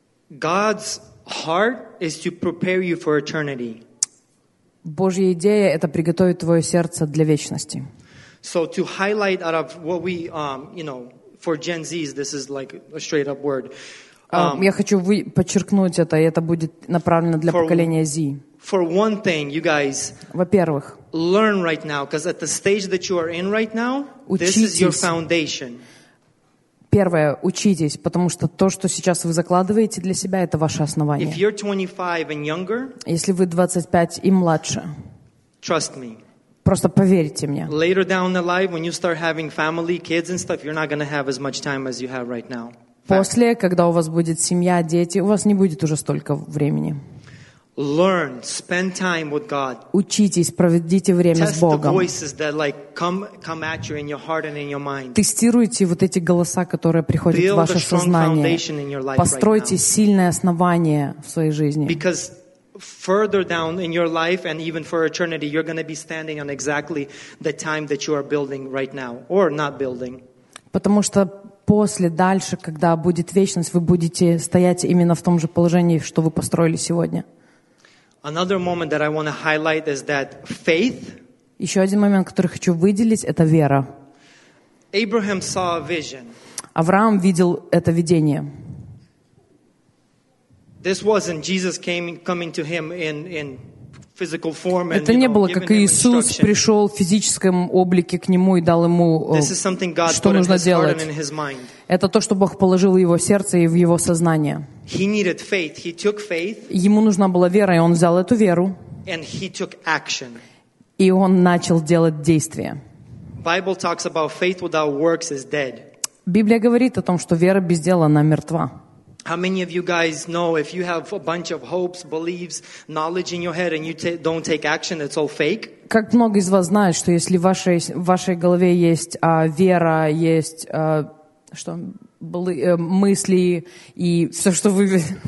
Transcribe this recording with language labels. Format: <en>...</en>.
<en>God's heart is to prepare you for eternity.</en> <ru>Божья идея — это приготовить твое сердце для вечности.</ru> <en>So to highlight out of what we, for Gen Z's, this is like a straight up word.</en> <ru>Я хочу подчеркнуть это, и это будет направлено для поколения Z.</ru> <en>For one thing, you guys,</en> <ru>во-первых,</ru> <en>learn right now, because at the stage that you are in right now,</en> <ru>учитесь.</ru> <en>This is your foundation.</en> <ru>Первое, учитесь, потому что то, что сейчас вы закладываете для себя, это ваше основание.</ru> <en>If you're 25 and younger,</en> <ru>если вы 25 и младше,</ru> <en>trust me.</en> <ru>Просто поверьте мне.</ru> <en>Later down the line, when you start having family, kids and stuff, you're not going to have as much time as you have right now.</en> <ru>После, когда у вас будет семья, дети, у вас не будет уже столько времени.</ru> <en>Learn, spend time with God.</en> <ru>Учитесь, проведите время</ru> <en>Test</en> <ru>с Богом.</ru> <en>The voices that like come at you in your heart and in your mind.</en> <ru>Тестируйте вот эти голоса, которые приходят</ru> <en>Build</en> <ru>в ваше сознание. Постройте</ru> <en>right</en> <ru>сильное основание в своей жизни.</ru> <en>Because further down in your life and even for eternity, you're going to be standing on exactly the time that you are building right now or not building.</en> <ru>Потому что после, дальше, когда будет вечность, вы будете стоять именно в том же положении, что вы построили сегодня.</ru> <en>Another moment that I want to highlight is that faith.</en> <ru>Еще один момент, который хочу выделить, это вера.</ru> <en>Abraham saw a vision.</en> <ru>Авраам видел это видение.</ru> <en>This wasn't Jesus coming to him in physical form and</en> <ru>это не было, как Иисус пришел в физическом облике к нему и дал ему, что нужно делать. Это то, что Бог положил в его сердце и в его сознание.</ru> <en>He needed faith. He took faith.</en> <ru>Ему нужна была вера, и он взял эту веру.</ru> <en>And he took action.</en> <ru>И он начал делать действия.</ru> <en>Bible talks about faith without works is dead.</en> <ru>Библия говорит о том, что вера без дела, она мертва.</ru> <en>How many of you guys know if you have a bunch of hopes, beliefs, knowledge in your head and you don't take action, it's all fake?</en> <ru>Как много из вас знают, что если в вашей голове есть вера, есть что мысли и все, что вы...</ru>